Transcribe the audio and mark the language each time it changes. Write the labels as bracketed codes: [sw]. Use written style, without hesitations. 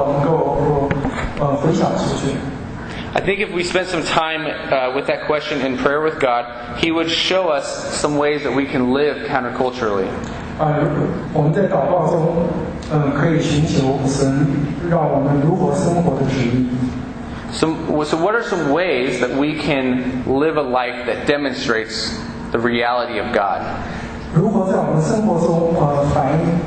[zh] 我也想花点时间分享一下这个福音在我们的生命中如何能够回响出去。 [en] I think if we spent some time with that question in prayer with God, He would show us some ways that we can live counterculturally. [zh] 我们在祷告中可以寻求神让我们如何生活的旨意。 [en] So what are some ways that we can live a life that demonstrates the reality of God? [zh] 如何在我们生活中, 反映,